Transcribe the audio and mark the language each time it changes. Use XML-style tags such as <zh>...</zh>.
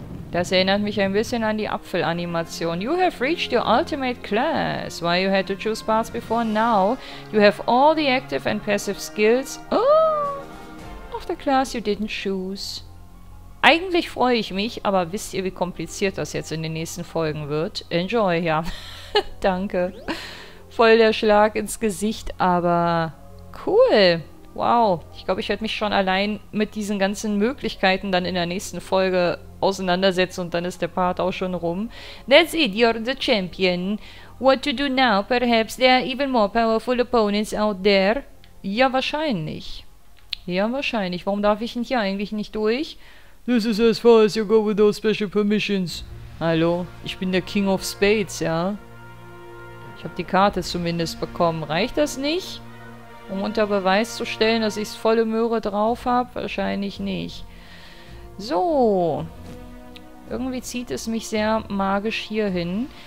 <de>Das erinnert mich ein bisschen an die Apfelanimation.</de> <en>You have reached your ultimate class. Why you had to choose parts before now? You have all the active and passive skills. Oh, of the class you didn't choose.</en> <de>Eigentlich freue ich mich, aber wisst ihr, wie kompliziert das jetzt in den nächsten Folgen wird? Enjoy, ja. Danke. Voll der Schlag ins Gesicht, aber cool. Wow, ich glaube, ich werde mich schon allein mit diesen ganzen Möglichkeiten dann in der nächsten Folge auseinandersetzen und dann ist der Part auch schon rum.</de> <en>That's it, you're the champion. What to do now? Perhaps there are even more powerful opponents out there.</en> <de>Ja, wahrscheinlich. Ja, wahrscheinlich. Warum darf ich denn hier eigentlich nicht durch?</de> <en>This is as far as you go without special permissions.</en> <de>Hallo, ich bin der King of Spades, ja? Ich habe die Karte zumindest bekommen. Reicht das nicht? Um unter Beweis zu stellen, dass ich es volle Möhre drauf habe? Wahrscheinlich nicht. So. Irgendwie zieht es mich sehr magisch hier hin.</de>